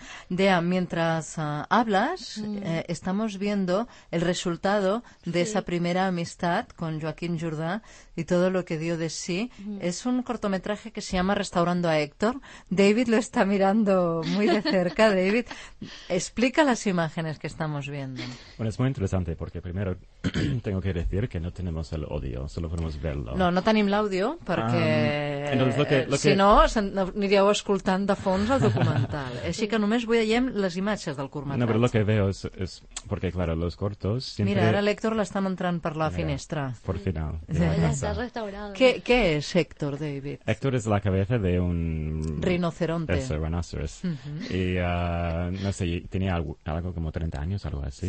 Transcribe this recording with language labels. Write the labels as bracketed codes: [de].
[es] Dea, mientras hablas, estamos viendo el resultado de esa primera amistad con Joaquín Jordá y todo lo que dio de sí. Es un cortometraje que se llama Restaurando a Héctor. David lo está mirando muy de cerca. David, explica las imágenes que estamos viendo. Bueno, es muy interesante porque primero tengo que decir que no tenemos el audio, solo podemos verlo. [ca] No, no tenim l'àudio perquè aniríeu escoltant de fons el documental. Així que només veiem les imatges del curtmetratge. [es] No, però lo que veo es porque claro, los cortos siempre... [ca] Mira, ara l'Héctor l'estan entrant per la finestra. [es] Por final. ¿Qué es Héctor, David? Héctor es la cabeza de un... rinoceronte. Eso, rhinoceros. Y, no sé, tenía algo como 30 años, algo así.